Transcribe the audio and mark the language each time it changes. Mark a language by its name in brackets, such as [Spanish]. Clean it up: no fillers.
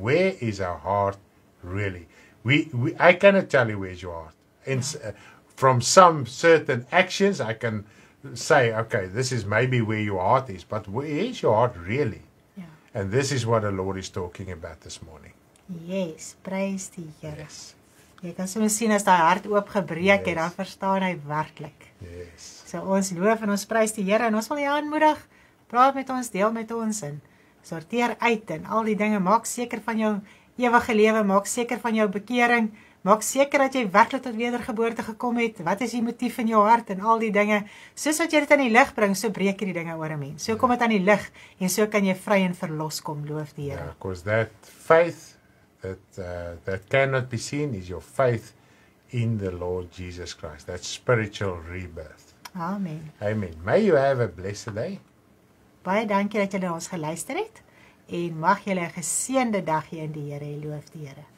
[English] Where is our heart really? I cannot tell you where's your heart. From some certain actions, I can say, okay, this is maybe where your heart is, but where is your heart really? Yeah. And this is what the Lord is talking about this morning. Yes, praise the Lord. Yes. [Afrikaans] Jy kan soms sien as die hart oopgebreek het, dan verstaan hy werklik. [English] Yes. [Afrikaans] So ons loof en ons prys die Here en ons wil jou aanmoedig, praat met ons, deel met ons en sorteer uit en al die dinge, maak seker van jou ewige lewe, maak seker van jou bekering, maak seker dat jy werklik tot wedergeboorte gekom het. Wat is die motief in jou hart en al die dinge? Soos wat jy dit aan die lig bring, so breek jy die dinge oor 'n mens. So kom dit aan die lig en so kan jy vry en verlos kom, loof die Here. [English] Because that faith that cannot be seen is your faith in the Lord Jesus Christ. That spiritual rebirth. Amen. Amen. May you have a blessed day. [Afrikaans] Baie dankie dat jy na ons geluister het en mag jy 'n geseënde dag hê in die Here. Loof die Here.